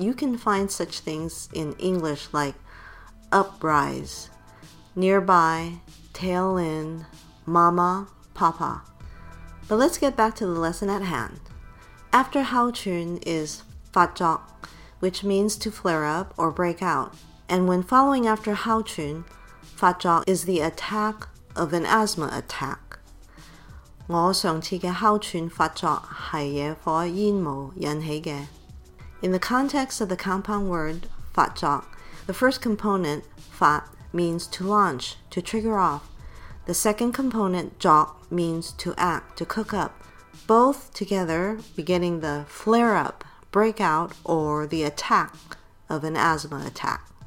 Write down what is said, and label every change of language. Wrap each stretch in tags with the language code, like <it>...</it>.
<en>You can find such things in English like uprise, nearby, tail end, mama, papa. But let's get back to the lesson at hand. After 哮喘 is 发作,which means to flare up or break out. And when following after 哮喘, 发作 is the attack of an asthma attack.</en> <zh>我上次的哮喘发作是野火烟雾引起的。</zh> <en>In the context of the compound word 发作, the first component 发 means to launch, to trigger off. The second component 作 means to act, to cook up. Both together beginning the flare up,breakout, or the attack of an asthma attack.</en>